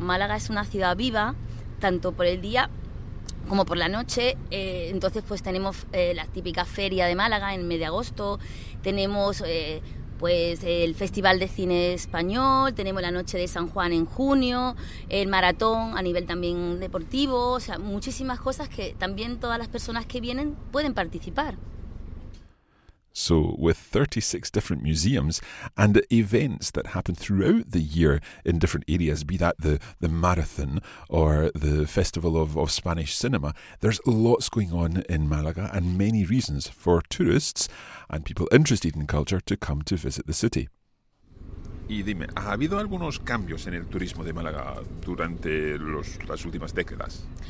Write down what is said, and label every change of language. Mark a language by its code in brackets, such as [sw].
[es] Málaga es una ciudad viva, tanto por el día como por la noche, entonces pues tenemos la típica feria de Málaga en medio agosto, tenemos pues el Festival de Cine Español, tenemos la Noche de San Juan en junio, el maratón a nivel también deportivo, o sea, muchísimas cosas que también todas las personas que vienen pueden participar. [en] So, with 36 different museums and events that happen throughout the year in different areas, be that the marathon or the Festival of Spanish Cinema, there's lots going on in Málaga and many reasons for tourists and people interested in culture to come to visit the city. [es] Y dime, ¿ha habido algunos cambios en el turismo de Málaga durante las últimas décadas?